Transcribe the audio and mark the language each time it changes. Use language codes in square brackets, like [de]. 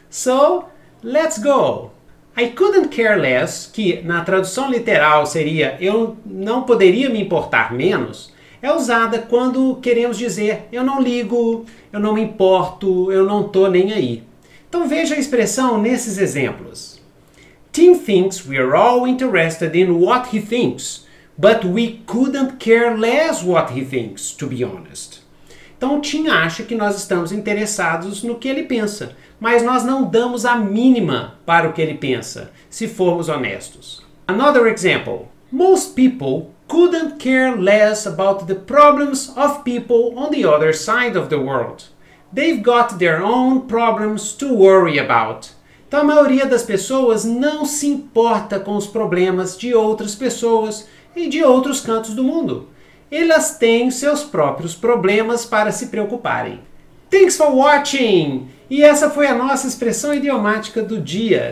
[en] So, let's go! I couldn't care less, [pt] que na tradução literal seria eu não poderia me importar menos, é usada quando queremos dizer eu não ligo, eu não me importo, eu não tô nem aí. Então veja a expressão nesses exemplos. [en] Tim thinks we are all interested in what he thinks, but we couldn't care less what he thinks, to be honest. [pt] Então Tim acha que nós estamos interessados no que ele pensa, mas nós não damos a mínima para o que ele pensa, se formos honestos. [en] Another example. Most people couldn't care less about the problems of people on the other side of the world. They've got their own problems to worry about. [pt] Então a maioria das pessoas não se importa com os problemas de outras pessoas e de outros cantos do mundo. Elas têm seus próprios problemas para se preocuparem. [en] Thanks for watching! [pt] E essa foi a nossa expressão idiomática do dia.